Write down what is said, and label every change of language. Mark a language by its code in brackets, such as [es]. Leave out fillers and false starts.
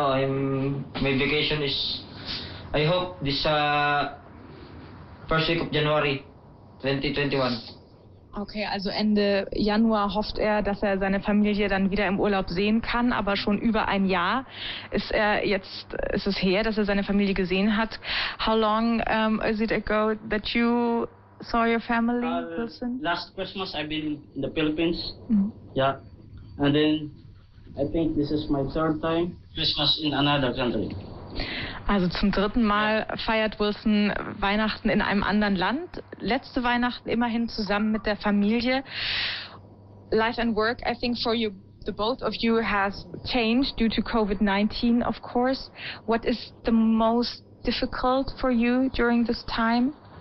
[en] And now my vacation is, I hope this first week of January 2021. [de] Okay, also Ende Januar hofft er, dass er seine Familie dann wieder im Urlaub sehen kann, aber schon über ein Jahr ist er jetzt, ist es her, dass er seine Familie gesehen hat. [en] How long is it ago that you saw your family, Wilson? Last Christmas I've been in the Philippines. Mm-hmm. Yeah. And then I think this is my third time Christmas in another country. [de] Also zum dritten Mal feiert Wilson Weihnachten in einem anderen Land. Letzte Weihnachten immerhin zusammen mit der Familie. [en] Life and work, I think for you, the both of you has changed due to COVID-19, of course. What is the most difficult for you during this time?